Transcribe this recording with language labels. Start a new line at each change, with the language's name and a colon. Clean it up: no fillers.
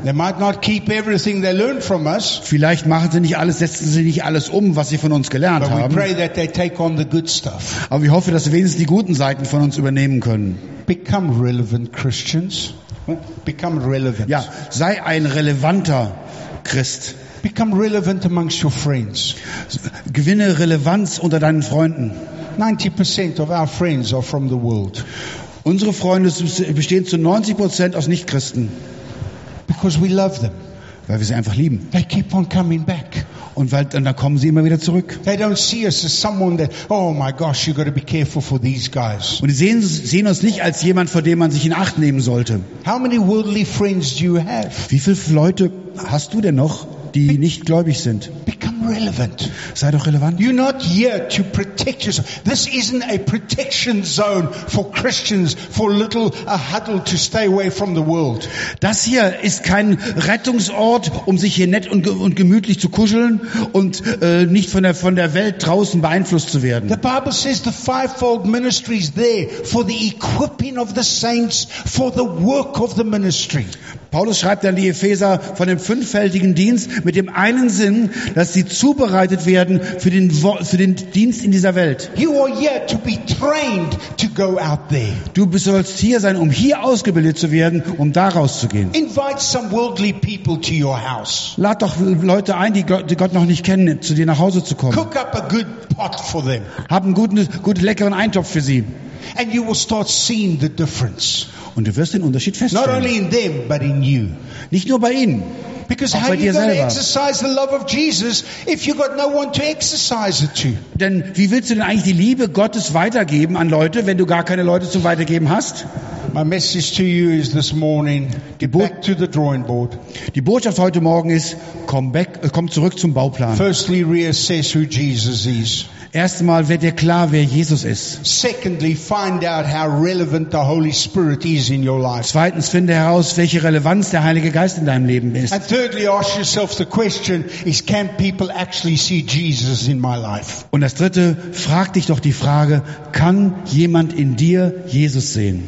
English: They might not keep everything they learn from us.
German: Vielleicht machen sie nicht alles, setzen sie nicht alles um, was sie von uns gelernt
English: but
German: haben.
English: We pray that they take on the good stuff.
German: Aber wir hoffen, dass sie wenigstens die guten Seiten von uns übernehmen können.
English: Become relevant Christians. Become relevant.
German: Ja, sei ein relevanter Christ.
English: Become relevant amongst your friends.
German: Gewinne Relevanz unter deinen Freunden.
English: 90% of our friends are from the world.
German: Unsere Freunde bestehen zu 90% aus Nichtchristen.
English: Because we love them.
German: Weil wir sie einfach lieben.
English: They keep on coming back.
German: Und weil dann kommen sie immer wieder zurück.
English: They don't see us as someone that, oh my gosh, you got to be careful for these guys.
German: Und sie sehen uns nicht als jemand, vor dem man sich in Acht nehmen sollte.
English: How many worldly friends do you have?
German: Wie viele Leute hast du denn noch, die nicht gläubig sind?
English: Become relevant.
German: Sei doch relevant.
English: You're not here to protect yourself. This isn't a protection zone for Christians, for little a huddle to stay away from the world.
German: Das hier ist kein Rettungsort, um sich hier nett und gemütlich zu kuscheln und nicht von der Welt draußen beeinflusst zu werden.
English: The Bible says the fivefold ministry is there for the equipping of the saints for the work of the ministry.
German: Paulus schreibt dann die Epheser von dem fünffältigen Dienst mit dem einen Sinn, dass sie zubereitet werden für den Dienst in dieser Welt.
English: You are here to be trained to go out there.
German: Du sollst hier sein, um hier ausgebildet zu werden, um da rauszugehen.
English: Invite some worldly people to your house.
German: Lad doch Leute ein, die Gott noch nicht kennen, zu dir nach Hause zu kommen.
English: Cook up a good pot for them.
German: Hab einen guten leckeren Eintopf für sie.
English: And you will start seeing the difference.
German: Und du wirst den Unterschied feststellen.
English: Not only in them, but in you.
German: Nicht nur bei ihnen.
English: Because how are you going to exercise the love of Jesus if you got no one to exercise it to?
German: Denn wie willst du denn eigentlich die Liebe Gottes weitergeben an Leute, wenn du gar keine Leute zum Weitergeben hast?
English: My message to you is this morning, back to the drawing board.
German: Die Botschaft heute Morgen ist, komm zurück zum Bauplan.
English: Firstly, reassess who Jesus is.
German: Erstmal wird dir klar, wer Jesus ist.
English: Secondly, find out how relevant the Holy Spirit is in your life.
German: Zweitens, finde heraus, welche Relevanz der Heilige Geist in deinem Leben ist.
English: And thirdly, ask yourself the question: is can people actually see Jesus in my life?
German: Und das Dritte, frag dich doch die Frage: kann jemand in dir Jesus sehen?